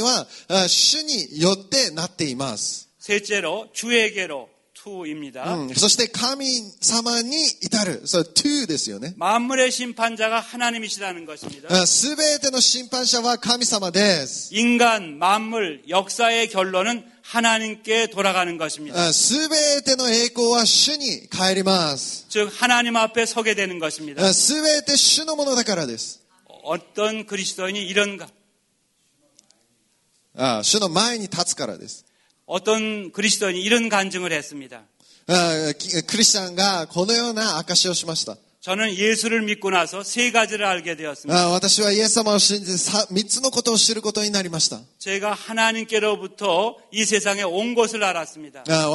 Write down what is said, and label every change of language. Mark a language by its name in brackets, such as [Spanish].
[Japanese] 이스라엘も本当にそのような、その、イスラエルから福音が発せられ、そのような全ての恵みは、主によってなっています. [Korean] 셋째로, 주에게로. 2입니다. [Japanese] そして神様に至る、そう、2ですよね。 [Korean] 만물의 심판자가 하나님이시라는 것입니다. [Japanese] 全ての審判者は神様です。 [Korean] 인간, 만물, 역사의 결론은 하나님께 돌아가는 것입니다. [Japanese] 全ての栄光は主に帰ります。 [Korean] 즉 하나님 앞에 서게 되는 것입니다. [Japanese] 全て主のものだからです。 [Korean] 어떤 그리스도인이 이런가? [Japanese] 主の前に立つからです。 [Korean] 어떤 그리스도인이 이런 간증을 했습니다. [Japanese] 크리스천이このような証しをしました. [Korean] 저는 예수를 믿고 나서 세 가지를 알게 되었습니다. [Japanese] 私はイエス様を信じて3つのことを知ることになりました. [Korean] 제가 하나님께로부터 이 세상에 온 것을 알았습니다.